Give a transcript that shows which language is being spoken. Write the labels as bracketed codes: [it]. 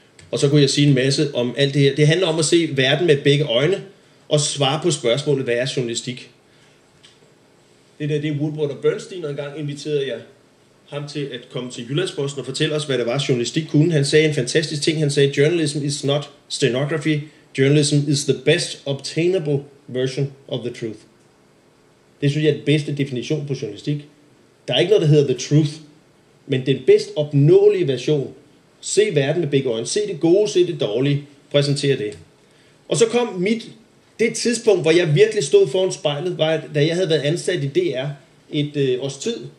[da] Og så kunne jeg sige en masse om alt det her. Det handler om at se verden med begge øjne, og svare på spørgsmålet, hvad er journalistik? Det der, det er Woodward og Bernstein, og engang inviterede jeg ham til at komme til Jyllandsposten og fortælle os, hvad det var, journalistik kunne. Han sagde en fantastisk ting. Han sagde, [en] journalism is not stenography. Journalism is the best obtainable version of the truth. [da] Det synes jeg er den bedste definition på journalistik. Der er ikke noget, der hedder [en] the truth, [da] men den bedst opnåelige version. Se verden med begge øjne. Se det gode, se det dårlige. Præsentere det. Og så kom det tidspunkt, hvor jeg virkelig stod foran spejlet, var, da jeg havde været ansat i DR et års tid.